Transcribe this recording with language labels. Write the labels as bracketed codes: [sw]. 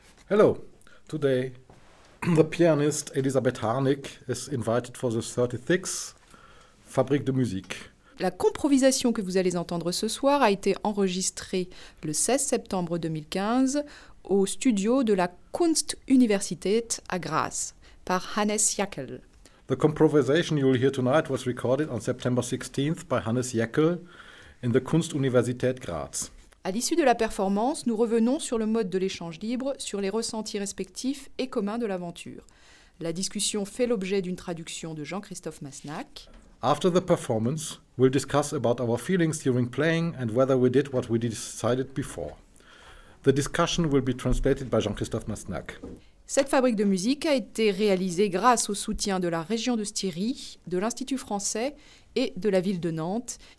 [en] Hello. Today, the pianist Elisabeth Harnik is invited for the 36th fabrique de musique. [fr] La improvisation que vous allez entendre ce soir a été enregistrée le 16 septembre 2015 au studio de la Kunstuniversität à Graz par Hannes Jäckel. [en] The improvisation you will hear tonight was recorded on September 16th by Hannes Jäckel in the Kunstuniversität Graz. [fr] À l'issue de la performance, nous revenons sur le mode de l'échange libre, sur les ressentis respectifs et communs de l'aventure. La discussion fait l'objet d'une traduction de Jean-Christophe Masnak. [en] After the performance, we'll discuss about our feelings during playing and whether we did what we decided before. The discussion will be translated by Jean-Christophe Masnak. [fr] Cette fabrique de musique a été réalisée grâce au soutien de la région de Styrie, de l'Institut français et de la ville de Nantes.